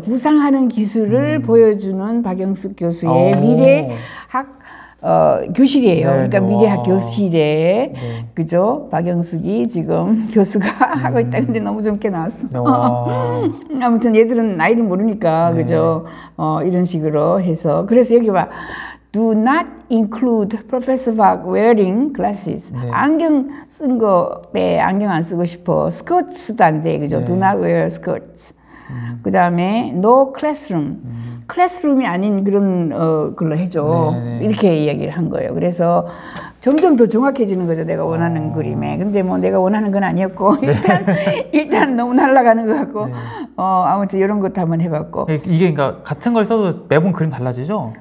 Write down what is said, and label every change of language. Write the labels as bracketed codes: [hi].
[ko] 부상하는 기술을 보여주는 박영숙 교수의 미래 학 교실이에요. 네, 그러니까 미래학 교실에 네. 그죠? 박영숙이 지금 교수가 하고 있다. 근데 너무 젊게 나왔어. 아무튼 얘들은 나이를 모르니까 네. 그죠? 이런 식으로 해서 그래서 여기 봐. [en] Do not include Professor Park wearing glasses. [ko] 네. 안경 쓴 거 빼. 안경 안 쓰고 싶어. 스커트도 안 돼. 그죠? 네. [en] Do not wear skirts. [ko] 그다음에 [en] No classroom. [ko] 클래스룸이 아닌 그런 걸로 해줘 네네. 이렇게 이야기를 한 거예요. 그래서 점점 더 정확해지는 거죠. 내가 원하는 그림에. 근데 뭐 내가 원하는 건 아니었고 네. 일단 너무 날아가는 것 같고 네. 아무튼 이런 것도 한번 해봤고 이게 그러니까 같은 걸 써도 매번 그림 달라지죠?